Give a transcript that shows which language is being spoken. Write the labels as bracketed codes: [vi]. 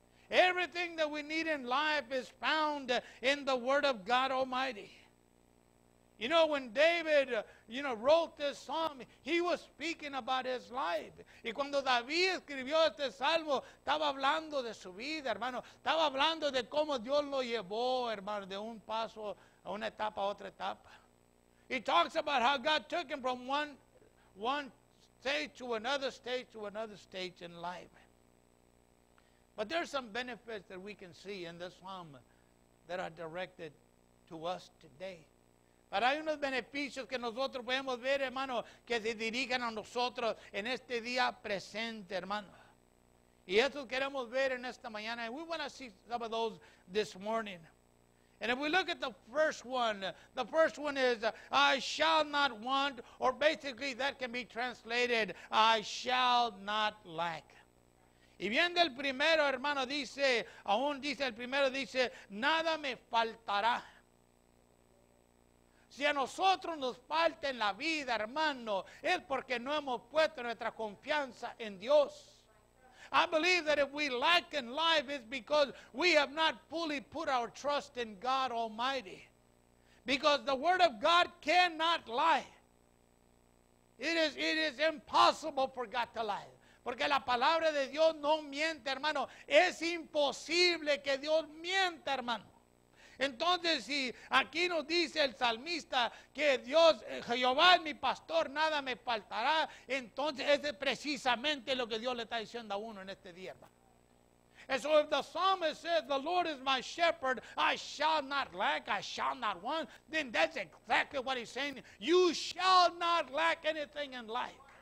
[en] Everything that we need in life is found in the word of God Almighty. You know, when David, you know, wrote this psalm, he was speaking about his life. [es] Y cuando David escribió este salmo, estaba hablando de su vida, hermano. Estaba hablando de cómo Dios lo llevó, hermano, de un paso a una etapa a otra etapa. [en] He talks about how God took him from one stage to another stage to another stage in life. But there's some benefits that we can see in this psalm that are directed to us today. [es] Pero hay unos beneficios que nosotros podemos ver, hermano, que se dirigen a nosotros en este día presente, hermano. Y eso queremos ver en esta mañana. [en] And we want to see some of those this morning. And if we look at the first one is, I shall not want, or basically that can be translated, I shall not lack. [es] Y viendo el primero, hermano, dice, aún dice el primero, dice, nada me faltará. Si a nosotros nos falta en la vida, hermano, es porque no hemos puesto nuestra confianza en Dios. [en] I believe that if we lack in life, it's because we have not fully put our trust in God Almighty. Because the Word of God cannot lie. It is impossible for God to lie. [es] Porque la palabra de Dios no miente, hermano. Es imposible que Dios mienta, hermano. Entonces, si aquí nos dice el salmista que Dios, Jehová es mi pastor, nada me faltará, entonces ese es precisamente lo que Dios le está diciendo a uno en este día, hermano. [en] So if the psalmist says, the Lord is my shepherd, I shall not lack, I shall not want, then that's exactly what he's saying. You shall not lack anything in life.